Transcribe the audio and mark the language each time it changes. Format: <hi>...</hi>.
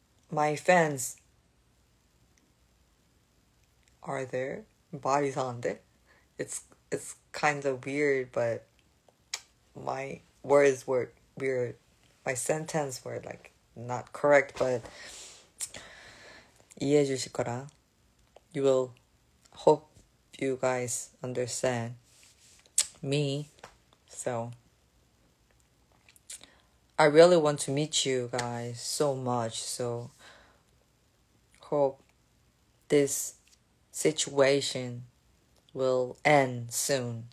<en>My fans. Are there?</en> <ko>말 이상한데?</ko> <en>It's kind of weird, but my words were weird. My sentence were like. Not correct, but</en> <ko>이해해 주실 거라.</ko> <en>You will hope you guys understand me. So I really want to meet you guys so much. So hope this situation will end soon.</en>